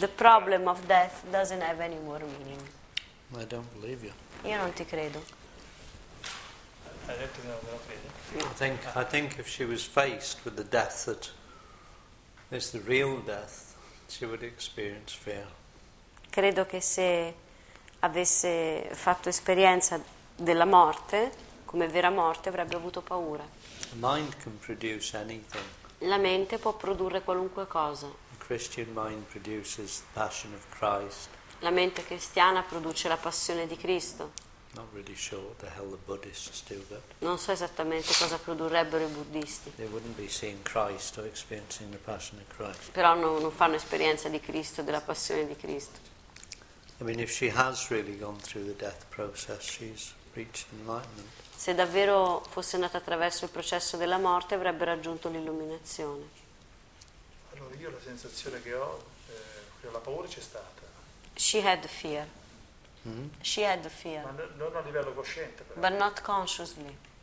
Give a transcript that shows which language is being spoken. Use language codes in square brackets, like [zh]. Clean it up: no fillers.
[en] the problem of death doesn't have any more meaning. I don't believe you. [it] Io non ti credo. Hai detto che non me lo credi? [en] I think if she was faced with the death that is the real death, She would experience fear. [it] Credo che se avesse fatto esperienza della morte, come vera morte, avrebbe avuto paura. [en] The mind can produce anything. [it] La mente può produrre qualunque cosa. [en] The Christian mind produces passion of Christ. [it] La mente cristiana produce la passione di Cristo. [en] Not really sure what the hell the Buddhists do, but [it] non so esattamente cosa produrrebbero I buddhisti. [en] They wouldn't be seeing Christ or experiencing the passion of Christ. [it] Però non fanno esperienza di Cristo, della passione di Cristo. [en] I mean, if she has really gone through the death process, she's reached enlightenment. [it] Se davvero fosse andata attraverso il processo della morte, avrebbe raggiunto l'illuminazione. Allora io la sensazione che ho, la paura c'è stata. [en] She had the fear. She had the fear. [it] Ma non a livello cosciente, però. [en] But not consciously.